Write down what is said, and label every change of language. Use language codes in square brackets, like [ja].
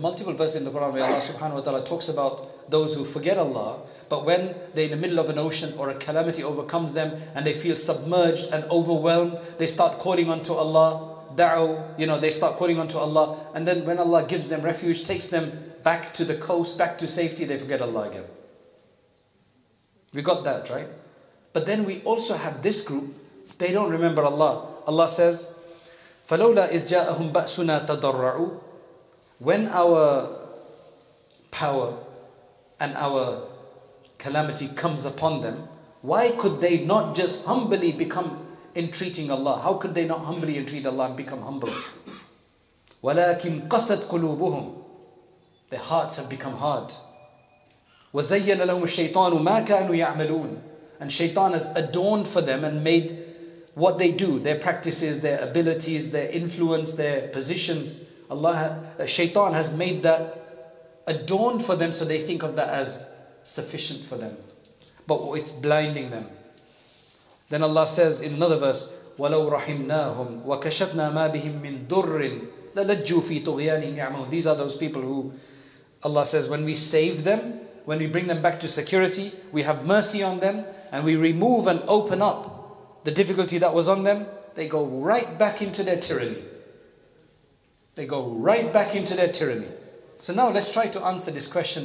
[en] Multiple verses in the Quran where Allah subhanahu wa ta'ala talks about those who forget Allah, but when they're in the middle of an ocean or a calamity overcomes them and they feel submerged and overwhelmed, they start calling unto Allah, da'u, you know, they start calling unto Allah, and then when Allah gives them refuge, takes them back to the coast, back to safety, they forget Allah again. We got that, right? But then we also have this group, they don't remember Allah. Allah says, [ar] فَلَوْلَا إِذْ جَاءَهُمْ بَأْسُنَا تَضَرَّعُوا. [en] When our power and our calamity comes upon them, why could they not just humbly become entreating Allah? How could they not humbly entreat Allah and become humble? [ar] وَلَكِنْ قَسَتْ قُلُوبُهُمْ. [en] Their hearts have become hard. [ar] وَزَيَّنَ لَهُمُ الشَّيْطَانُ مَا كَانُوا يَعْمَلُونَ. [en] And Shaitan has adorned for them and made what they do, their practices, their abilities, their influence, their positions. Shaitan has made that adorned for them, so they think of that as sufficient for them. But it's blinding them. Then Allah says in another verse, [ar] وَلَوْ رَحِمْنَاهُمْ وَكَشَفْنَا مَا بِهِمْ مِنْ دُرٍ لَلَجُّوا فِي طُغْيَانِهِمْ يَعْمَلُونَ. [en] These are those people who Allah says, when we save them, when we bring them back to security, we have mercy on them, and we remove and open up the difficulty that was on them, they go right back into their tyranny. They go right back into their tyranny. So now let's try to answer this question.